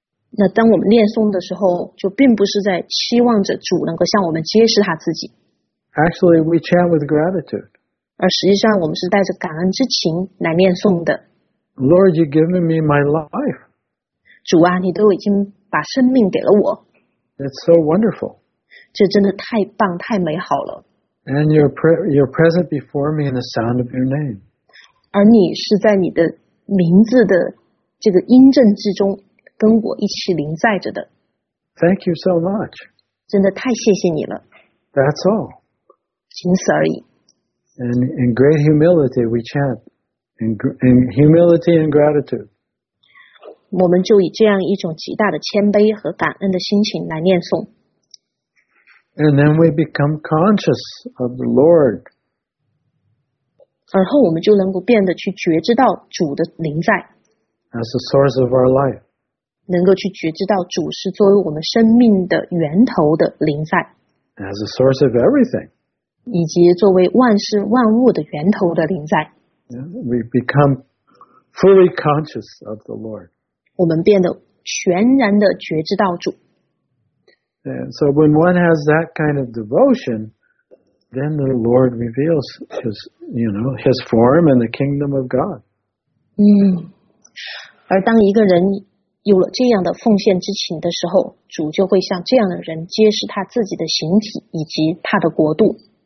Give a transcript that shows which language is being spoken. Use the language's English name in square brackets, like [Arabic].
[Chinese] 那当我们念诵的时候就并不是在期望着主能够向我们揭示他自己。 [English] Actually, we chant with gratitude. [Chinese] 而实际上我们是带着感恩之情来念诵的。 [English] Lord, you've given me my life. [Chinese] 主啊，你都已经把生命给了我。 [English] It's so wonderful. [Chinese] 这真的太棒，太美好了。 [English] And you're present before me in the sound of your name. [Chinese] 而你是在你的名字的这个音阵之中跟我一起临在着的。 [English] Thank you so much. [Chinese] 真的太谢谢你了。 [English] That's all. [Chinese] 仅此而已。 [English] And in great humility we chant, in humility and gratitude. [Chinese] 我们就以这样一种极大的谦卑和感恩的心情来念诵。 [English] And then we become conscious of the Lord. [Chinese] 而后我们就能够变得去觉知到主的临在。 [English] As the source of our life. [Chinese] 能够去觉知到主是作为我们生命的源头的临在。 [English] As the source of everything. [Chinese] 以及作为万事万物的源头的临在。 [English] Yeah, we become fully conscious of the Lord. [Chinese] 我们变得全然的觉知到主。 [English] And so when one has that kind of devotion, then the Lord reveals his, you know, his form and the kingdom of God. [Chinese] 嗯，而当一个人有了这样的奉献之情的时候，主就会向这样的人揭示他自己的形体以及他的国度。